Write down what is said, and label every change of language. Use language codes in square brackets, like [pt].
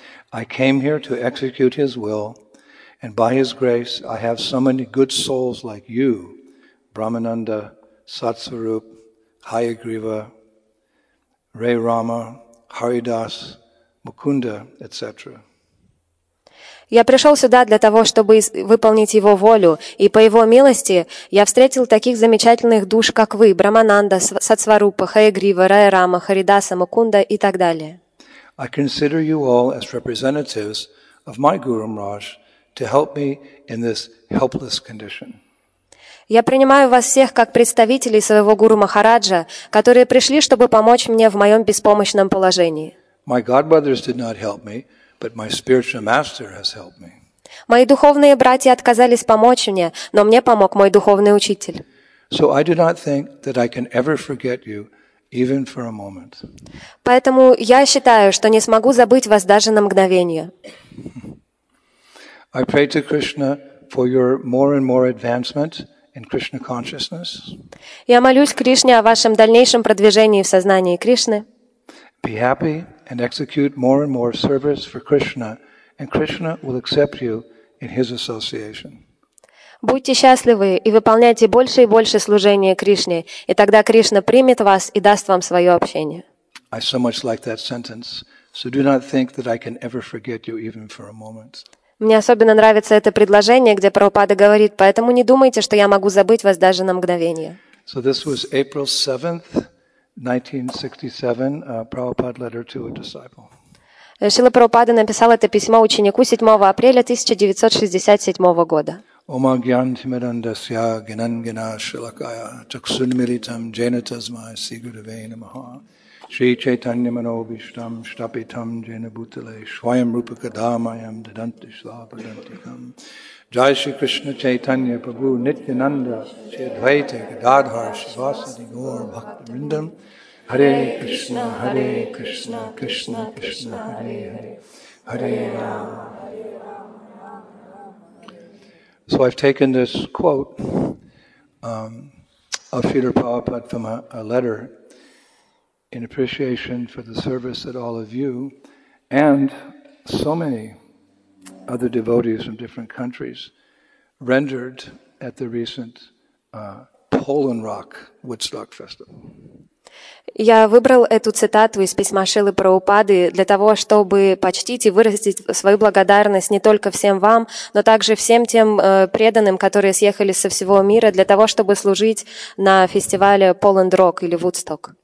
[en] I came here to execute his will, and by his grace I have so many good souls like you, Brahmananda, Satsvarup, Hayagriva, Ray Rama, Haridas, Mukunda, etc. [ru] Я пришел сюда для того, чтобы выполнить его волю, и по его милости я встретил таких замечательных душ, как вы, Брамананда, Сатсварупа, Хаягрива, Рая Рама, Харидаса, Мукунда и так далее. [en] I consider you all as representatives of my Guru Maharaj to help me in this helpless condition. [ru] Я принимаю вас всех как представителей своего гуру Махараджа, которые пришли, чтобы помочь мне в моем беспомощном положении. [en] My godbrothers did not help me, but my spiritual master has helped me. [ru] Мои духовные братья отказались помочь мне, но мне помог мой духовный учитель. [en] So I do not think that I can ever forget you, even for a moment. [ru] Поэтому я считаю, что не смогу забыть вас даже на мгновение. [en] I pray to Krishna for your more and more advancement in Krishna consciousness. [ru] Я молюсь Кришне о вашем дальнейшем продвижении в сознании Кришны. [en] Be happy and execute more and more service for Krishna, and Krishna will accept you in his association. [ru] Будьте счастливы и выполняйте больше и больше служения Кришне, и тогда Кришна примет вас и даст вам свое общение. [en] I so much like that sentence. So do not think that I can ever forget you even for a moment. [ru] Мне особенно нравится это предложение, где Прабхупада говорит: «Поэтому не думайте, что я могу забыть вас даже на мгновение». [en] So this was April 7th, 1967, a Prabhupada letter to a disciple. [ru] Шрила Прабхупада написал это письмо ученику 7 апреля 1967 года. [sa] Омагьянтимирандасья гинангина шилакая чаксунмилитам джейнатазмай сигуравейнамаха Шри Чайтанья Манобиштам Штапитам Джена Бутале Швайам Рупака Дамайам Даданти Слава Дантикам Джай Шри Кришна Чайтанья Прабху Нитьянанда Шри Адвайте Гададхар Шивасади Гор Бхакти Вриндам Харе Кришна, Харе Кришна, Кришна Кришна, Харе Харе, Харе Рама. [en] So I've taken this quote of Śrīla Prabhupāda from a letter in appreciation for the service that all of you and so many other devotees from different countries rendered at the recent Poland Rock Woodstock Festival. [ru] Я выбрал эту цитату из письма Шрилы Прабхупады для того, чтобы почтить и выразить свою благодарность не только всем вам, но также всем тем преданным, которые съехали со всего мира для того, чтобы служить на фестивале Poland Rock или Woodstock.